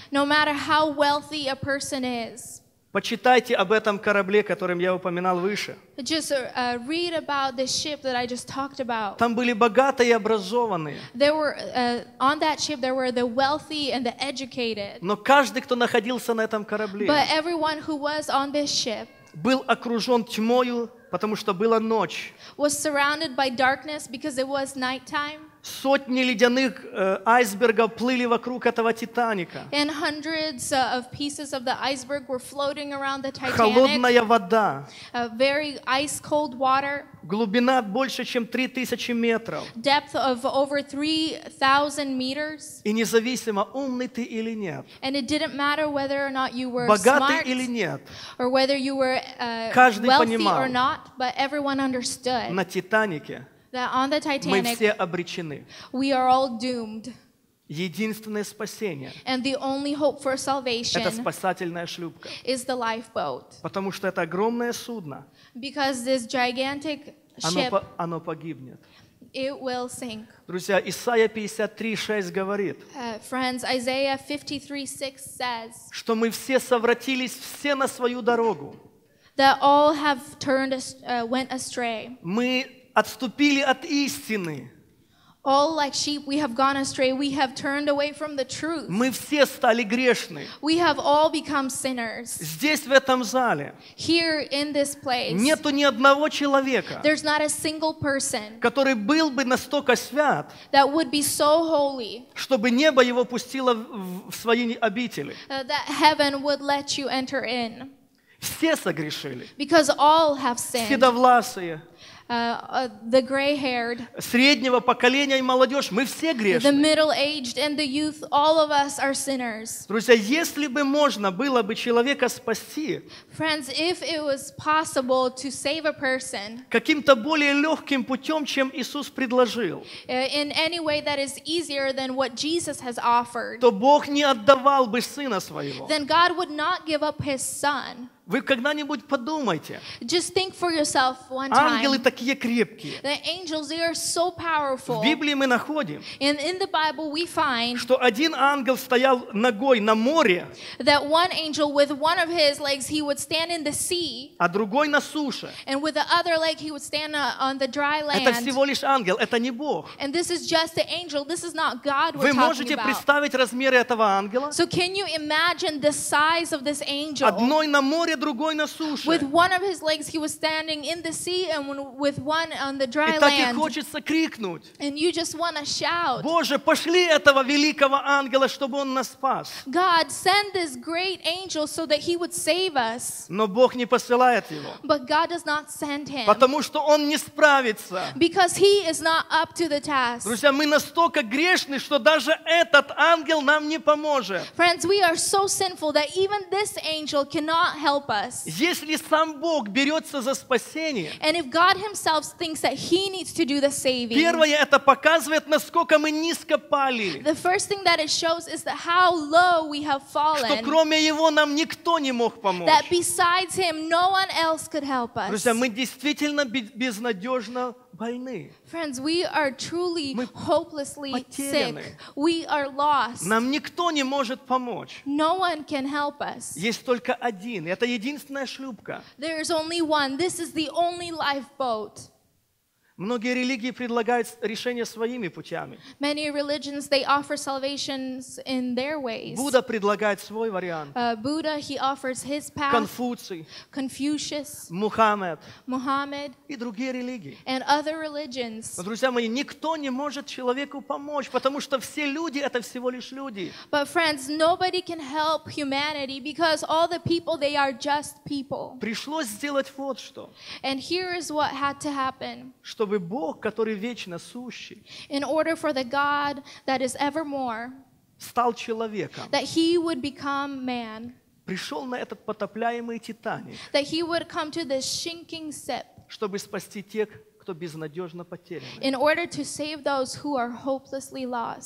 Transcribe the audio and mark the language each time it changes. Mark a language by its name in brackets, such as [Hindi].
[English] No matter how wealthy a person is. [Russian] Почитайте об этом корабле, которым я упоминал выше. [English] Just read about the ship that I just talked about. [Russian] Там были богатые и образованные. [English] There were on that ship there were the wealthy and the educated. [Russian] Но каждый, кто находился на этом корабле. [English] But everyone who was on this ship. [Russian] Был окружен тьмою, потому что была ночь. [English] Was surrounded by darkness because it was nighttime. [Russian] Сотни ледяных айсбергов плыли вокруг этого Титаника. [English] And hundreds of pieces of the iceberg were floating around the Titanic. [Russian] Холодная вода. [English] A very ice cold water. [Russian] Глубина больше, чем 3000 метров. [English] Depth of over 3,000 meters. [Russian] И независимо, умный ты или нет. [English] And it didn't matter whether or not you were [Russian] богатый [English] smart [Russian] или нет. [English] Or whether you were [Russian] каждый [English] wealthy [Russian] понимал, [English] or not, but everyone understood. [Russian] На Титанике. [English] That on the Titanic, [Russian] мы все обречены. [English] We are all doomed. [Russian] Единственное спасение. [English] And the only hope for salvation. [Russian] Это спасательная шлюпка. [English] Is the lifeboat. [Russian] Потому что это огромное судно. [English] Because this gigantic ship. [Russian] Оно погибнет. [English] It will sink. [Russian] Друзья, Исаия 53:6 говорит. [English] Friends, Isaiah 53:6 says. [Russian] Что мы все совратились все на свою дорогу. [English] That all have turned went astray. [Russian] Мы отступили от истины. [English] All like sheep we have gone astray, we have turned away from the truth. [Russian] Мы все стали грешны. [English] We have all become sinners. [Russian] Здесь, в этом зале, [English] here in this place, [Russian] нету ни одного человека, [English] there's not a single person, [Russian] который был бы настолько свят, [English] that would be so holy, [Russian] чтобы небо его пустило в свои обители. [English] That heaven would let you enter in. [Russian] Все согрешили. [English] Because all have sinned. [Russian] Седовласые. [English] The gray-haired, [Russian] среднего поколения и молодежь, мы все грешны. [English] The middle-aged and the youth, all of us are sinners. [Russian] Друзья, если бы можно было бы человека спасти, [English] friends, if it was possible to save a person, [Russian] каким-то более легким путем, чем Иисус предложил, [English] in any way that is easier than what Jesus has offered, [Russian] то Бог не отдавал бы Сына Своего. [English] Then God would not give up His Son. [Russian] Вы когда-нибудь подумайте. [English] Just think for yourself one time. [Russian] Ангелы такие крепкие. [English] The angels, they are so powerful. [Russian] В Библии мы находим, [English] and in the Bible we find, [Russian] что один ангел стоял ногой на море, [English] that one angel with one of his legs he would stand in the sea, [Russian] а другой на суше. [English] And with the other leg he would stand on the dry land. [Russian] Это всего лишь ангел, это не Бог. [English] And this is just the angel, this is not God we're [Russian] можете представить размеры этого ангела? [English] So can you imagine the size of this angel? [Russian] Одной на море, другой на суше. [English] With one of his legs he was standing in the sea and with one on the dry land. [Russian] И так и хочется крикнуть. [English] And you just want to shout. [Russian] Боже, пошли этого великого ангела, чтобы он нас спас. [English] God, send this great angel so that he would save us. [Russian] Но Бог не посылает его. [English] But God does not send him. [Russian] Потому что он не справится. [English] Because he is not up to the task. [Russian] Друзья, мы настолько грешны, что даже этот ангел нам не поможет. [English] Friends, we are so sinful that even this angel cannot help. [Russian] Если сам Бог берется за спасение, [English] and if God himself thinks that he needs to do the saving, [Russian] первое, это показывает, насколько мы низко пали. [English] The first thing that it shows is that how low we have fallen. [Russian] Что кроме его нам никто не мог помочь. [English] That besides him, no one else could help us. [Russian] Друзья, мы действительно безнадежно больны. [English] Friends, we are truly hopelessly sick. We are lost. [Russian] Нам никто не может помочь. [English] No one can help us. [Russian] Есть только один. Это единственная шлюпка. [English] There is only one. This is the only lifeboat. [Russian] Многие религии предлагают решение своими путями. [English] Many religions, they offer salvations in their ways. [Russian] Будда предлагает свой вариант. [English] Buddha, he offers his path. [Russian] Конфуций. [English] Confucius. [Russian] Мухаммед. [English] Muhammad. [Russian] И другие религии. [English] And other religions. [Russian] Но, друзья мои, никто не может человеку помочь, потому что все люди — это всего лишь люди. [English] But friends, nobody can help humanity because all the people, they are just people. [Russian] Пришлось сделать вот что. [English] And here is what had to happen. [Russian] Чтобы Бог, который вечно сущий, [English] in order for the God that is evermore, [Russian] стал человеком, [English] that he would become man, [Russian] пришел на этот потопляемый Титаник, [English] that he would come to this sinking ship, [Russian] чтобы спасти тех, кто безнадежно потерян, [English] in order to save those who are hopelessly lost.